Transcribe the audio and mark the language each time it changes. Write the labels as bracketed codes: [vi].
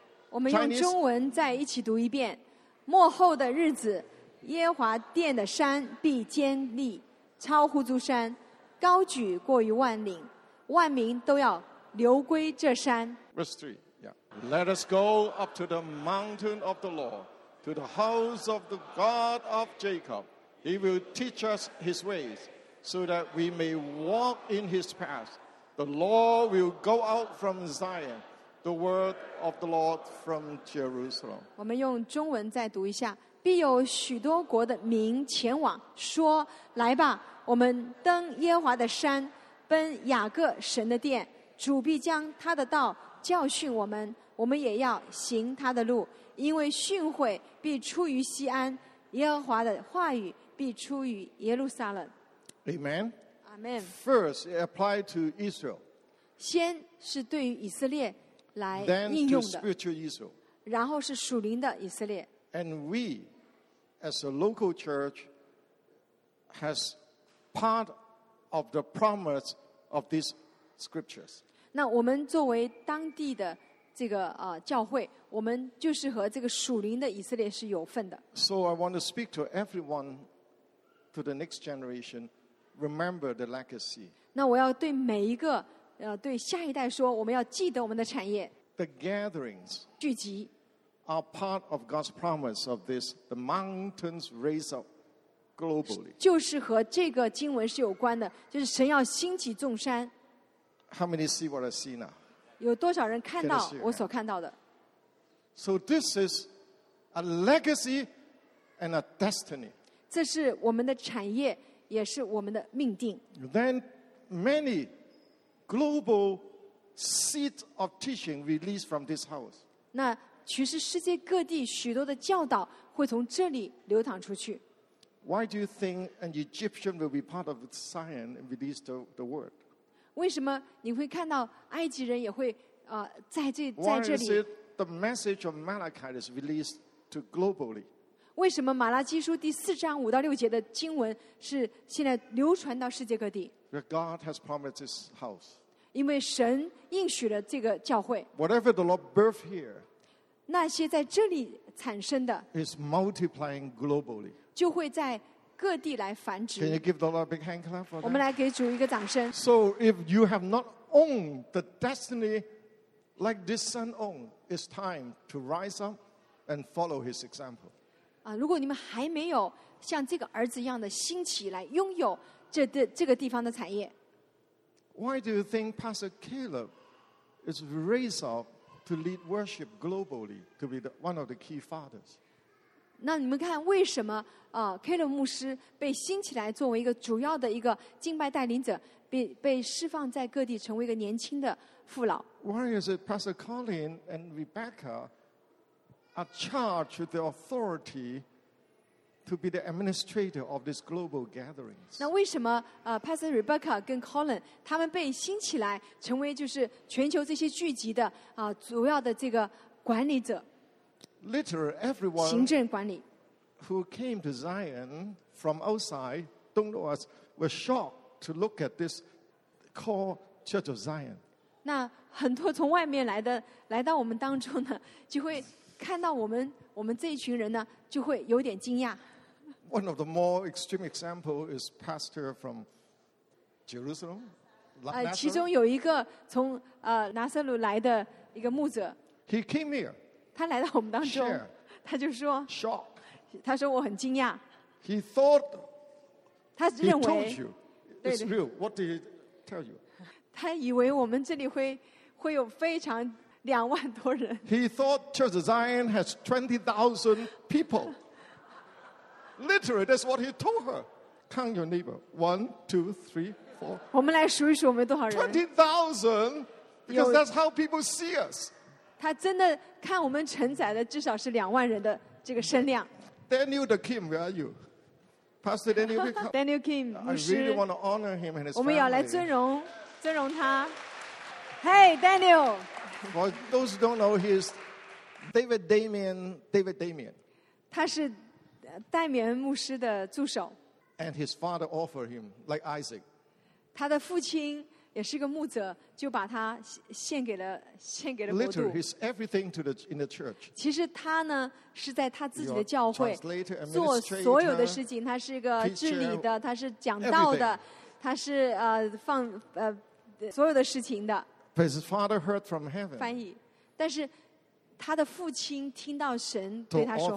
[zh] 我们用中文再一起读一遍。末后的日子，耶和华殿的山必坚立，超乎诸山，高举过于万岭，万民都要流归这山。 [en] Verse 3. Let us go up to the mountain of the Lord, to the house of the God of Jacob. He will teach us his ways, so that we may walk in his paths. The Lord will go out from Zion, the word of the Lord from Jerusalem. [zh] 我们用中文再读一下，必有许多国的民前往，说，来吧，我们登耶和华的山，奔雅各神的殿，主必将他的道教训我们，我们也要行他的路，因为训诲必出于西安，耶和华的话语必出于耶路撒冷。 [en] Amen. Amen. First, it applied to Israel. [zh] 先是对于以色列来应用的。 [en] Then to spiritual Israel. [zh] 然后是属灵的以色列。 [en] And we, as a local church, has part of the promise of these scriptures. [zh] 那我们作为当地的这个教会，我们就是和这个属灵的以色列是有份的。 [en] So I want to speak to everyone, to the next generation. Remember the legacy. [zh] 那我要对每一个对下一代说，我们要记得我们的产业。 [en] The gatherings. [zh] 聚集。 [en] Are part of God's promise of this. The mountains raise up globally. [zh] 就是和这个经文是有关的，就是神要兴起众山。 [en] How many see what I see now? [zh] 有多少人看到我所看到的？ [en] So this is a legacy and a destiny. [zh] 这是我们的产业，也是我们的命定。 [en] Then many global seeds of teaching released from this house. [zh] 那其实世界各地许多的教导会从这里流淌出去。 [en] Why do you think an Egyptian will be part of Zion and release the word? [zh] 为什么你会看到埃及人也会在这里 [en] Why is it the message of Malachi is released to globally? [zh] 为什么马拉基书第四章五到六节的经文是现在流传到世界各地 [en] God has promised this house. [zh] 因为神应许了这个教会 [en] Whatever the Lord birthed here [zh] 那些在这里产生的 [en] is multiplying globally. [zh] 就会在各地来繁殖。 [en] Can you give the Lord a big hand clap for that? [zh] 我们来给主一个掌声。 [en] So if you have not owned the destiny like this son owned, it's time to rise up and follow his example. [zh] 如果你们还没有像这个儿子一样的兴起来拥有这个地方的产业。 [en] Why do you think Pastor Caleb is raised up to lead worship globally to be one of the key fathers? [zh] 那你们看为什么Caleb 牧师被兴起来作为一个主要的一个敬拜带领者 被释放在各地成为一个年轻的父老 [en] Why is it Pastor Colin and Rebecca are charged with the authority to be the administrator of these global gatherings? [zh] 那为什么Pastor Rebecca 跟 Colin 他们被兴起来成为就是全球这些聚集的主要的这个管理者 [en] Literally, everyone who came to Zion from outside, don't know us, were shocked to look at this called Church of Zion. [zh] 那很多从外面来的来到我们当中呢，就会看到我们这一群人呢，就会有点惊讶。 [en] One of the more extreme example is pastor from Jerusalem. [zh] 其中有一个从拿撒勒来的一个牧者。 [en] He came here. [zh] 他来到我们当中 [en] Share, [zh] 他就说 [en] shock. [zh] 他说我很惊讶 [en] he thought, [zh] 他认为 [en] he told you, it's real. What did he tell you? [zh] 他以为我们这里 会有非常两万多人 [en] he thought Church of Zion has 20,000 people literally that's what he told her count your neighbor 1, 2, 3, 4 [zh] 我们来数一数我们多少人 [en] 20,000 because that's how people see us [zh] 他真的看我们承载的至少是两万人的这个声量。 [en] Daniel the Kim, where are you? Pastor Daniel Kim. [zh] Daniel Kim, 牧师。 [en] I really want to honor him and his family. [zh] 我们要来尊荣他。 [en] Hey, Daniel. For those who don't know, he is David Damien. [zh] 他是戴冕牧师的助手。 [en] And his father offered him, like Isaac. [zh] 他的父亲也是个牧者就把他献给了国度 [en] Literally, he's everything to the, in the church. [zh] 其实他呢是在他自己的教会 [en] Your translator, administrator, [zh] 做所有的事情他是一个治理的 [en] teacher, [zh] 他是讲道的 [en] everything. [zh] 他是放所有的事情的 [en] But his father heard from heaven. [zh] 翻译但是他的父亲听到神对他说话